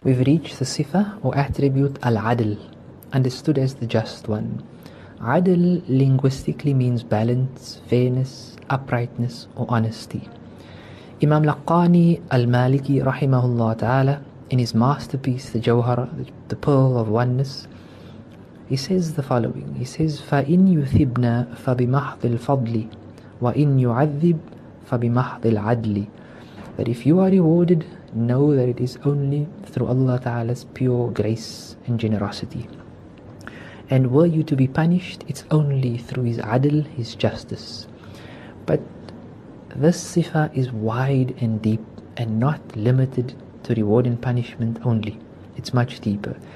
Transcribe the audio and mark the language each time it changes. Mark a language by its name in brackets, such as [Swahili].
[English] We've reached the sifa or attribute al-adl, understood as the just one. Adl linguistically means balance, fairness, uprightness, or honesty. Imam Laqani al-Maliki rahimahullah ta'ala, in his masterpiece, The Jawhara, the Pearl of Oneness, he says the following. He says, [Arabic] فَإِنْ يُثِبْنَا فَبِمَحْضِ الْفَضْلِ وَإِنْ يُعَذِّبْ فَبِمَحْضِ الْعَدْلِ. [English] That if you are rewarded, know that it is only through Allah ta'ala's pure grace and generosity. And were you to be punished, it's only through his adl, his justice. But this sifa is wide and deep and not limited to reward and punishment only. It's much deeper.